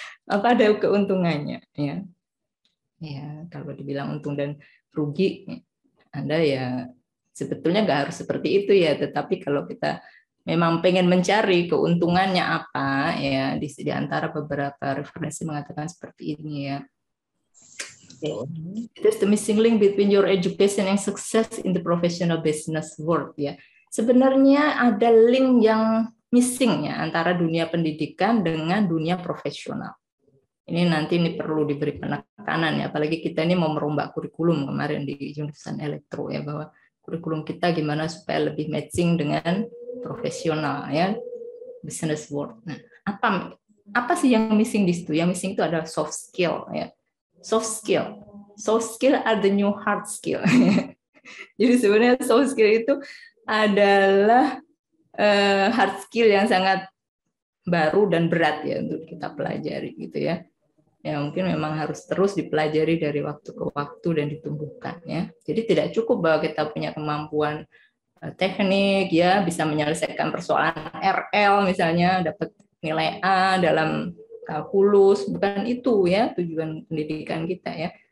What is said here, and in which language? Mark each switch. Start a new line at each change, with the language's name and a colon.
Indonesian: Apa ada keuntungannya ya, ya kalau dibilang untung dan rugi Anda ya sebetulnya nggak harus seperti itu ya, tetapi kalau kita memang pengen mencari keuntungannya apa ya, di antara beberapa referensi mengatakan seperti ini ya.
English: Okay. There's the missing link between your education and success in the professional business world ya.
Indonesian: Sebenarnya ada link yang missing ya antara dunia pendidikan dengan dunia profesional. Ini nanti ini perlu diberi penekanan ya, apalagi kita ini mau merombak kurikulum kemarin di jurusan elektro ya, bahwa kurikulum kita gimana supaya lebih matching dengan profesional ya, business world. Nah, apa sih yang missing di situ? Yang missing itu adalah soft skill ya.
English: Soft skill are the new hard skill.
Indonesian: Jadi sebenarnya soft skill itu adalah hard skill yang sangat baru dan berat ya untuk kita pelajari gitu ya. Ya mungkin memang harus terus dipelajari dari waktu ke waktu dan ditumbuhkan ya. Jadi tidak cukup bahwa kita punya kemampuan teknik ya, bisa menyelesaikan persoalan RL misalnya, dapat nilai A dalam kalkulus, bukan itu ya tujuan pendidikan kita ya.